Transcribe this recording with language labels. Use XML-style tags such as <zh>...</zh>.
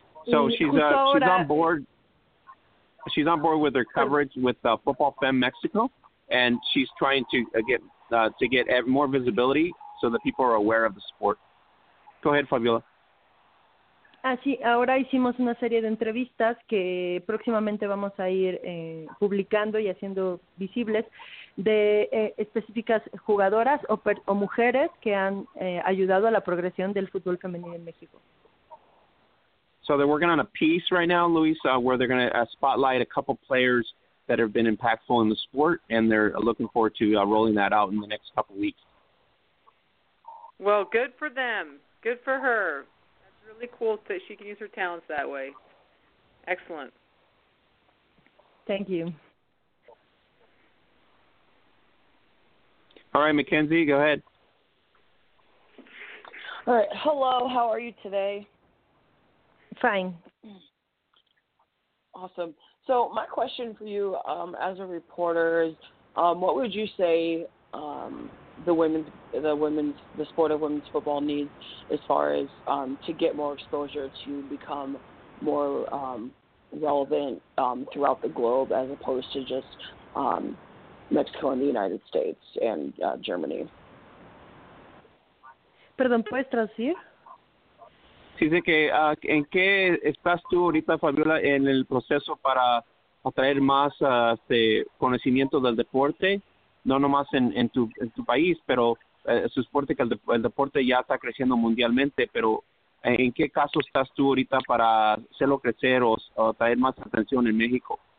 <en>So she's on board with her coverage with Football Fem Mexico, and she's trying to get more visibility so that people are aware of the sport. Go ahead, Fabiola.</en> <es>Sí, ahora hicimos una serie de entrevistas que próximamente vamos a ir publicando y haciendo visibles de específicas jugadoras o mujeres que han ayudado a la progresión del fútbol femenino en México.</es> <en>So they're working on a piece right now, Luis, where they're going to spotlight a couple players that have been impactful in the sport, and they're looking forward to rolling that out in the next couple weeks. Well, good for them. Good for her. That's really cool that she can use her talents that way. Excellent. Thank you. All right, Mackenzie, go ahead. All right. Hello, how are you today? Fine. Awesome. So my question for you as a reporter is what would you say the sport of women's football needs as far as to get more exposure to become more relevant throughout the globe as opposed to just Mexico and the United States and Germany?</en> <es>Perdón, ¿puedes traducir? Dice que, ¿en qué estás tú ahorita, Fabiola, en el proceso para atraer más conocimiento del deporte, no nomás en tu país, pero su deporte, que el deporte ya está creciendo mundialmente, pero ¿en qué caso estás tú ahorita para hacerlo crecer o traer más atención en México?</es>